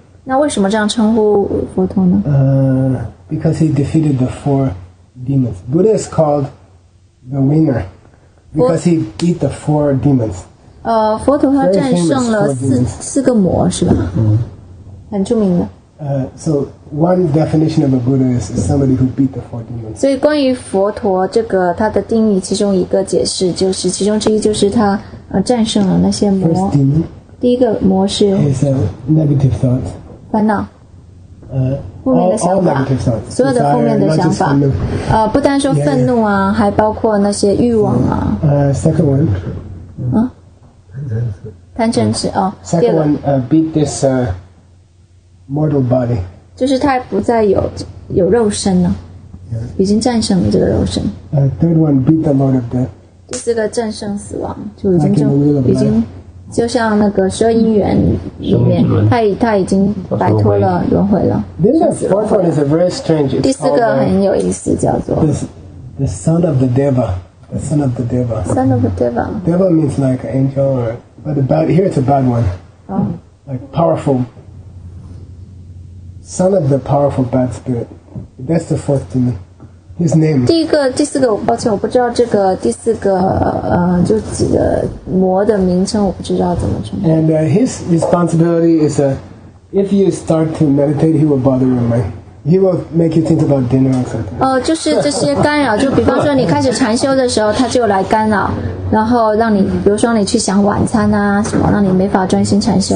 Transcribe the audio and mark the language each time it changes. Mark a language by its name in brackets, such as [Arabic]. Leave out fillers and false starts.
[Chinese] 那为什么这样称呼佛陀呢？ [English] Because he defeated the four demons. Buddha is called the winner because he beat the four demons. [Chinese] 佛陀他战胜了四个魔是吧？很著名的。 [English] So one definition of a Buddha is somebody who beat the four demons. [Chinese] 所以关于佛陀这个他的定义，其中一个解释就是其中之一就是他战胜了那些魔。 [English] First demon. [Chinese] 第一个魔是。 [English] Is a negative thought. [Chinese] 烦恼。负面的想法。 [English] All negative thoughts. [Chinese] 所有的负面的想法。不单说愤怒啊， [English] yeah, yeah. [Chinese] 还包括那些欲望啊。 [English] Second one. [Chinese] 贪嗔痴。 [English] Second one, beat this, mortal body. [Chinese] 就是他不再有肉身了、 [English] yeah. [Chinese] 已经战胜了这个肉身。 [English] Third one, beat the lord of death. [Chinese] 第四个战胜死亡，就已经就像那个十二因缘里面、他已经摆脱了轮回了。 [English] This fourth one is a very strange. [Chinese] 第四个很有意思，叫做 [English] the son of the deva. The son of the deva. Son of the deva. Deva means like angel or, but about here it's a bad one.、Like powerful. Son of the powerful bad spirit. That's the fourth demon. His name. [Chinese] 第一个第四个，抱歉，我不知道这个第四个就指的魔的名称，我不知道怎么称。 [English] And his responsibility is if you start to meditate, he will bother your mind. He will make you think about dinner or something. [Chinese] 就是这些干扰，就比方说你开始禅修的时候，他就来干扰，然后让你，比如说你去想晚餐啊什么，让你没法专心禅修。